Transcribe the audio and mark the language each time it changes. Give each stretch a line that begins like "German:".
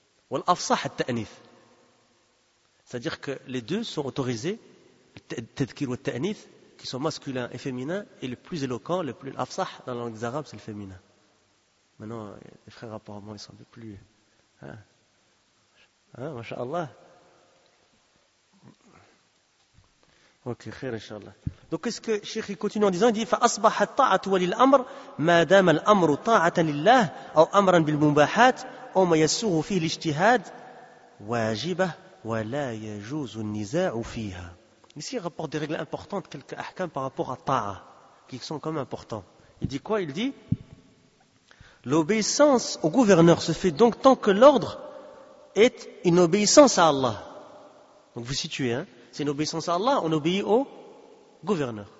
Arabic: Wal afsah, al ta'anith.
French: C'est-à-dire que les deux sont autorisés,
Arabic: tadhkir wa ta'anith,
French: qui sont masculins et féminins, et le plus éloquent, le plus afsah dans la langue arabe, c'est le féminin. Maintenant, les frères, apparemment, ils sont un peu plus. Hein, Masha'Allah. Ok, khair, inshallah. Donc, qu'est-ce que Cheikh continue en disant ? Il dit
Arabic: فأصبح الطاعة ولي الأمر ما دام الأمر طاعة لله أو أمرا بالمباحات أو ما يسوغ فيه الاجتهاد واجبة ولا يجوز النزاع فيها.
French: Ici, il rapporte des règles importantes, quelques ahkam par rapport à ta'a, qui sont quand même importants. Il dit quoi ? Il dit l'obéissance au gouverneur se fait donc tant que l'ordre est une obéissance à Allah. Donc vous situez, hein ? C'est une obéissance à Allah, on obéit au gouverneur.